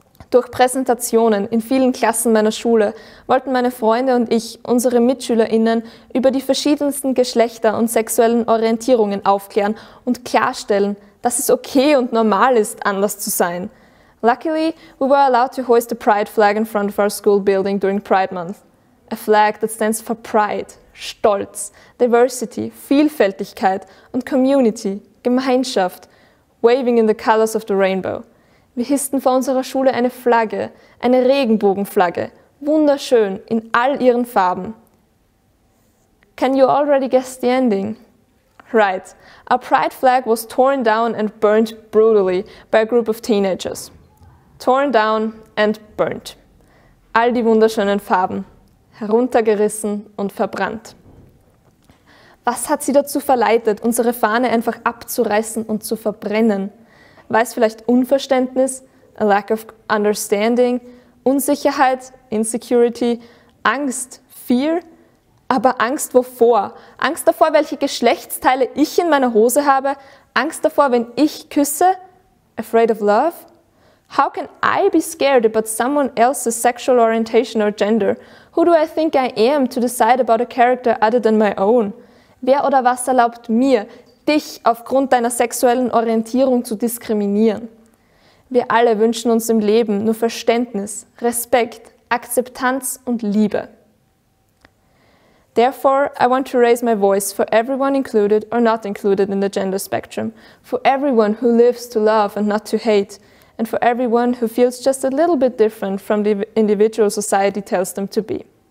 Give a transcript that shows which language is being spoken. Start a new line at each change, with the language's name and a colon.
German: Durch Präsentationen in vielen Klassen meiner Schule wollten meine Freunde und ich unsere MitschülerInnen über die verschiedensten Geschlechter und sexuellen Orientierungen aufklären und klarstellen, dass es okay und normal ist, anders zu sein.
English: Luckily, we were allowed to hoist a pride flag in front of our school building during Pride Month. A flag that stands for pride,
German: Stolz,
English: Diversity,
German: Vielfältigkeit und
English: Community,
German: Gemeinschaft,
English: waving in the colors of the rainbow.
German: Wir hissten vor unserer Schule eine Flagge, eine Regenbogenflagge, wunderschön in all ihren Farben.
English: Can you already guess the ending? Right, our pride flag was torn down and burnt brutally by a group of teenagers. Torn down and burnt.
German: All die wunderschönen Farben, heruntergerissen und verbrannt. Was hat sie dazu verleitet, unsere Fahne einfach abzureißen und zu verbrennen? War es vielleicht Unverständnis,
English: a lack of understanding,
German: Unsicherheit,
English: insecurity,
German: Angst,
English: fear?
German: Aber Angst wovor? Angst davor, welche Geschlechtsteile ich in meiner Hose habe? Angst davor, wenn ich küsse?
English: Afraid of love? How can I be scared about someone else's sexual orientation or gender? Who do I think I am to decide about a character other than my own?
German: Wer oder was erlaubt mir, dich aufgrund deiner sexuellen Orientierung zu diskriminieren? Wir alle wünschen uns im Leben nur Verständnis, Respekt, Akzeptanz und Liebe.
English: Therefore, I want to raise my voice for everyone included or not included in the gender spectrum, for everyone who lives to love and not to hate, and for everyone who feels just a little bit different from the individual society tells them to be.